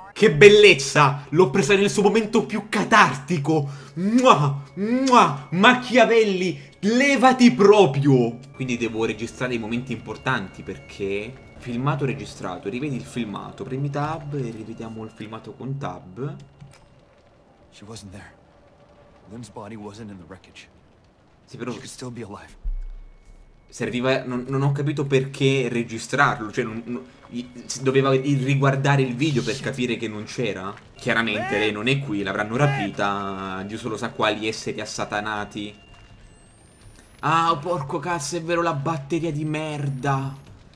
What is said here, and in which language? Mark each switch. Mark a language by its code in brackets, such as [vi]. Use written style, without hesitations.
[it] Che bellezza, l'ho presa nel suo momento più catartico. Mua, mua, Machiavelli, levati proprio. Quindi devo registrare i momenti importanti perché... Filmato registrato, rivedi il filmato, premi tab e rivediamo il filmato con tab. [en] She wasn't there. Lynn's body wasn't in the wreckage. [it] Sì, però... [en] She could still be alive. [it] Serviva... Non ho capito perché registrarlo. Cioè, doveva riguardare il video per capire che non c'era. Chiaramente lei non è qui. L'avranno rapita. Dio solo sa quali esseri assatanati. Ah, porco cazzo, è vero, la batteria di merda.